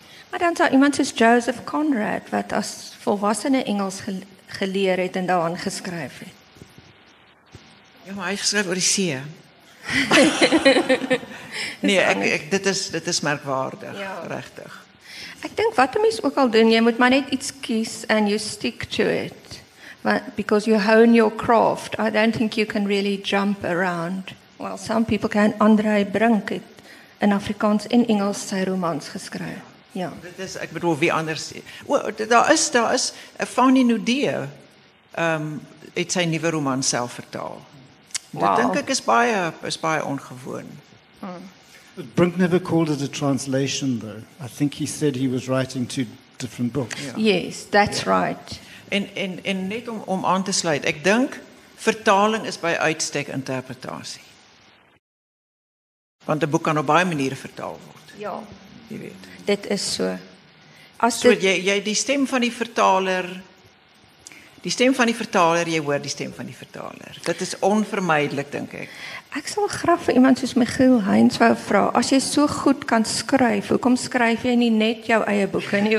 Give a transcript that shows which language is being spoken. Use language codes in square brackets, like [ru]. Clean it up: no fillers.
[af] Maar dan sou iemand soos Joseph Conrad wat as volwassene Engels geleer het en daaraan geskryf het. Ja, maar hy skryf oor die see. Nee, dit is merkwaardig, ja. Regtig. Ek dink wat 'n mens ook al doen, jy moet maar net iets kies [en] and you stick to it. Because you hone your craft, I don't think you can really jump around. Well, some people can. [af] Andre Brink het in Afrikaans en Engels sy romans geskryf. Ja. Dit is ek bedoel wie anders. Daar is Fanny Nudee. Het sy nuwe roman self vertaal. Wow. Dit dink ek is baie ongewoon. [en] But Brink never called it a translation though. I think he said he was writing two different books. Yeah. Yes, that's yeah. Right. [af] En net om aan te sluit, ek dink vertaling is by uitstek interpretasie. Want 'n boek kan op baie maniere vertaal word. Ja. Jy weet. Dit is so. Jy die stem van die vertaler. Die stem van die vertaler, jy hoor die stem van die vertaler. Dit is onvermydelik, dink ek. Ek sal graag vir iemand soos Michiel Heinz wou vra, as jy so goed kan skryf, hoekom skryf jy nie net jou eie boeke nie?